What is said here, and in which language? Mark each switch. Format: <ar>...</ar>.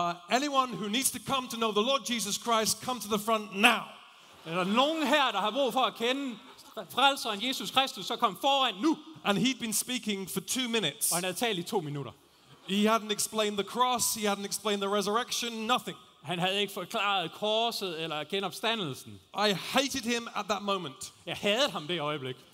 <en>Anyone who needs to come to know the Lord Jesus Christ, come to the front now.</en> <da>Er der nogen her, der har brug for at kende frelseren Jesus Kristus, så kom foran nu.</da> <en>And he'd been speaking for 2 minutes.</en> <da>Og han havde talt i 2 minutter.</da> <en>He hadn't explained the cross, he hadn't explained the resurrection, nothing.</en> <da>Han havde ikke forklaret korset eller genopstandelsen.</da> <en>I hated him at that moment.</en> <da>Jeg hadede ham det øjeblik.</da>